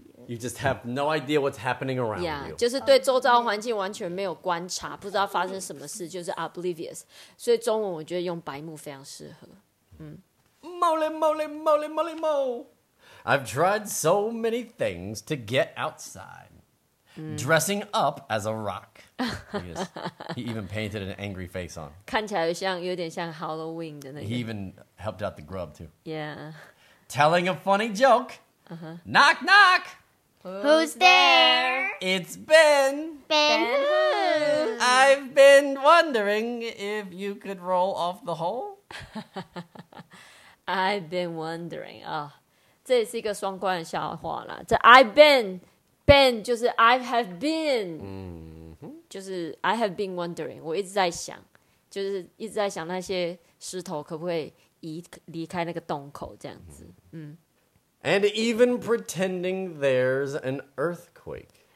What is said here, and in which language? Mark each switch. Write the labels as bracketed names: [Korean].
[English] You just have no idea what's happening around yeah, you [Chinese] 就是对周遭环境完全没有观察不知道发生什么事就是 Oblivious 所以中文我觉得用白目非常适合嗯 [English] Moly moly moly moly moly I've tried so many things to get outside、 mm. Dressing up as a rock he even painted an angry face on [Chinese] 看起来像有点像 Halloween 的那个 [English] He even helped out the grub too Yeah Telling a funny joke、 uh-huh. Knock knock Who's there? It's Ben Ben who? I've been wondering if you could roll off the hole I've been wondering、oh. [Chinese] 这也是一个双关的笑话啦。 [English] 这 I've been, been 就是 I have been,、 mm-hmm. [Chinese] 就是 [English] I have been wondering, [Chinese] 我一直在想，就是一直在想那些石头可不可以移离开那个洞口这样子。Mm-hmm. 嗯。 [English] And even pretending there's an earthquake.